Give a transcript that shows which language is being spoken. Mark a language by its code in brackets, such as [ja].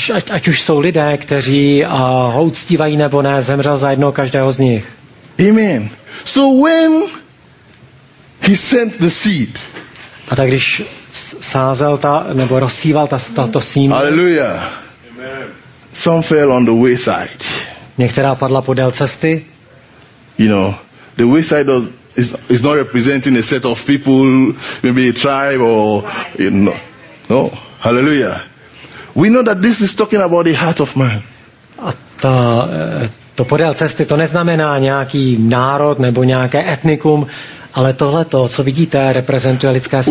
[cs] Ať už jsou lidé, kteří ho uctívají nebo ne, zemřel za jednoho každého z nich. [en] Amen. So when he sent the seed. [cs] A tak když sázel ta nebo rozsíval to semeno. [en] Hallelujah. Amen. Some fell on the wayside. [cs] Některá padla podél cesty. [en] You know, the wayside is not representing a set of people, maybe a tribe or, you know. No. Hallelujah. We know that this is talking about the heart of man. [cs] A to podél cesty, to neznamená nějaký národ nebo nějaké etnikum, ale tohle to, co vidíte, reprezentuje lidské srdce.